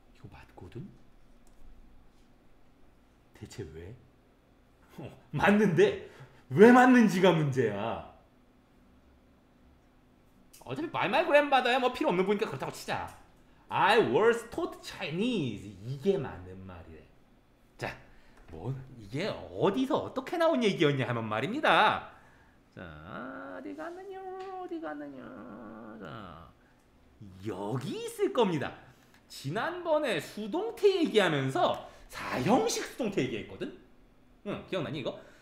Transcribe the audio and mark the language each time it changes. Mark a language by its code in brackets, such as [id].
[ko] 맞거든? 대체 왜? 맞는데 왜 맞는지가 문제야. 어차피 My My Grandmother야 뭐 필요 없는 분이니까 그렇다고 치자. [en] I was taught Chinese [ko] 이게 맞는 말이래. 자, 뭐 이게 어디서 어떻게 나온 얘기였냐 하면 말입니다. 자, 어디 갔느냐 어디 갔느냐 자, 여기 있을 겁니다. 지난번에 수동태 얘기하면서 4형식 수동태 얘기했거든? 응, 기억나니 이거?